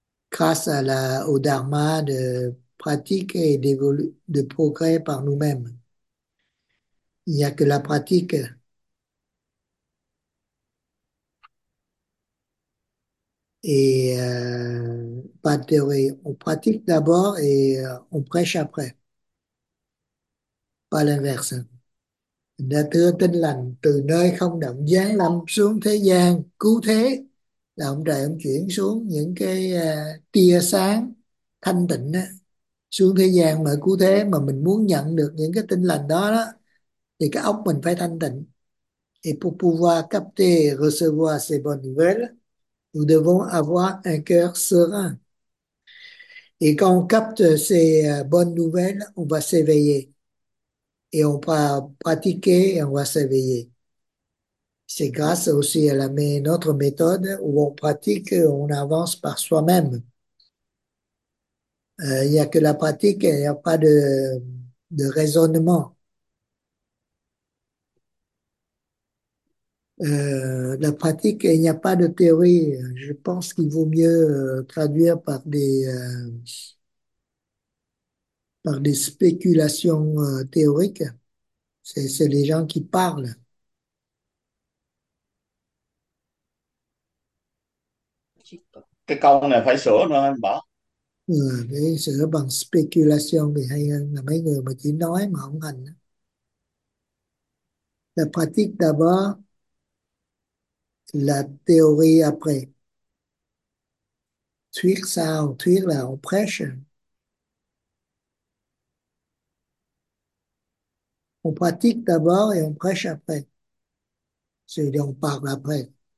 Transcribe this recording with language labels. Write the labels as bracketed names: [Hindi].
[French] Grâce à au dharma de pratique et de progrès par nous-mêmes. Il n'y a que la pratique. Et pas de théorie. On pratique d'abord et on prêche après. Pas l'inverse. [Vietnamese] La thưa tinh lành, từ nơi không động giáng lâm xuống thế gian, cứu thế. Là ông trời ông chuyển xuống những cái tia sáng thanh tịnh đó, xuống thế gian mà cứu thế, mà mình muốn nhận được những cái tinh lành đó đó thì cái óc mình phải thanh tịnh. [French] Et pour pouvoir capter et recevoir ces bonnes nouvelles, nous devons avoir un cœur serein. Et quand on capte ces bonnes nouvelles, on va s'éveiller et on va pratiquer et on va s'éveiller. C'est grâce aussi à notre méthode où on pratique, on avance par soi-même. Il n'y a que la pratique, il n'y a pas de raisonnement. La pratique, il n'y a pas de théorie. Je pense qu'il vaut mieux traduire par des spéculations théoriques. C'est les gens qui parlent. [Vietnamese] Cái câu này phải sửa nữa anh bảo. Để sửa bằng speculation thì hay hơn là mấy người mà chỉ nói mà không hành. [French] La pratique d'abord, la théorie après. [Vietnamese] Thuyết sau, thuyết là [French] on prêche. On pratique d'abord et on prêche après. C'est-à-dire on parle après.